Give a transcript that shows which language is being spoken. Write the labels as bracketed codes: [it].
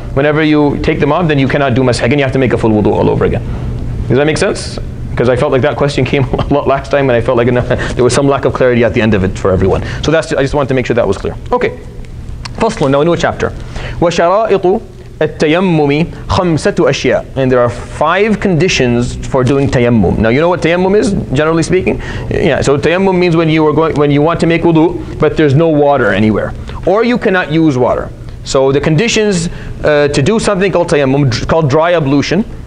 [en] Whenever you take them off, then you cannot do masha again. You have to make a full wudu all over again. Does that make sense? Because I felt like that question came a lot last time, and I felt like there was some lack of clarity at the end of it for everyone. So that's, I just wanted to make sure that was clear. Okay, فصل. Now a new chapter. [ar] وشرائط التيمم خمسة أشياء. [en] And there are five conditions for doing tayammum. Now you know what tayammum is, generally speaking? Yeah, so tayammum means when you want to make wudu, but there's no water anywhere. Or you cannot use water. So the conditions to do something called tayammum, called dry ablution.